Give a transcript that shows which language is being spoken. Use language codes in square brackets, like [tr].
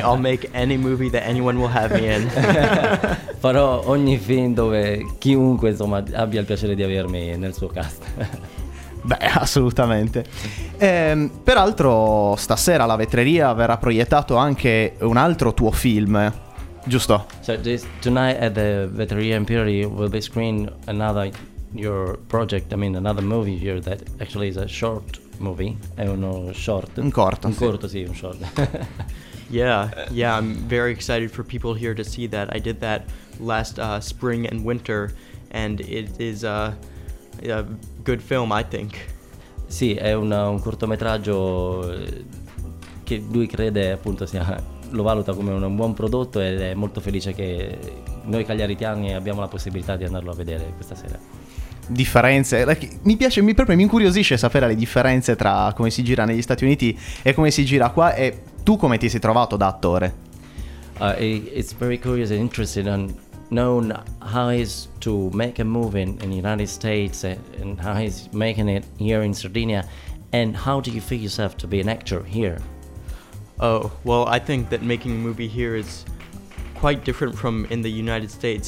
[en] I'll make any movie that anyone will have me in. [it] Farò ogni film dove chiunque insomma abbia il piacere di avermi nel suo cast. Beh, assolutamente. Peraltro, stasera la Vetreria verrà proiettato anche un altro tuo film, giusto? [en] So this, tonight at the Vetreria Imperiali will be screened another your project, I mean another movie here that actually is a short movie. [it] È uno short. Un corto. Un corto, sì, un short. [en] yeah, I'm very excited for people here to see that. I did that last spring and winter, and it is a good film, I think. [it] Sì, è un cortometraggio che lui crede appunto sia, lo valuta come un buon prodotto, ed è molto felice che noi cagliaritiani abbiamo la possibilità di andarlo a vedere questa sera. Differenze, mi piace, mi incuriosisce sapere le differenze tra come si gira negli Stati Uniti e come si gira qua, e tu come ti sei trovato da attore? [en] It's very curious and interesting and known how is to make a movie in the United States and how is making it here in Sardinia, and how do you feel yourself to be an actor here? Oh, well, I think that making a movie here is quite different from in the United States.